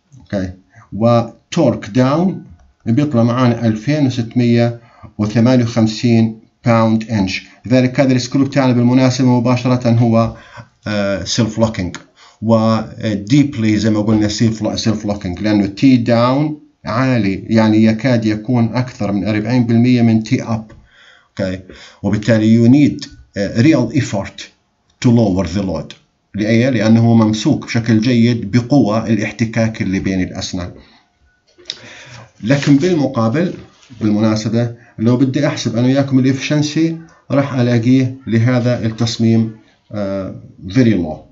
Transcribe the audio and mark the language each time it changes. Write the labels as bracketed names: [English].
[Arabic] أوكي، وتورك داون بيطلع معانا 2658 باوند إنش. لذلك هذا السكرو بتاعنا بالمناسبة مباشرة هو سيلف لوكينج، وديبلي زي ما قلنا سيلف لوكينج، لأنه تي داون عالي يعني يكاد يكون أكثر من 40% من تي أب. أوكي، وبالتالي [English] you need real effort to lower the load. [Arabic] لأيه؟ لأنه ممسوك بشكل جيد بقوة الاحتكاك اللي بين الأسنان. لكن بالمقابل بالمناسبة لو بدي أحسب أنا وياكم الإفشنسي راح ألاقيه لهذا التصميم [English] very low.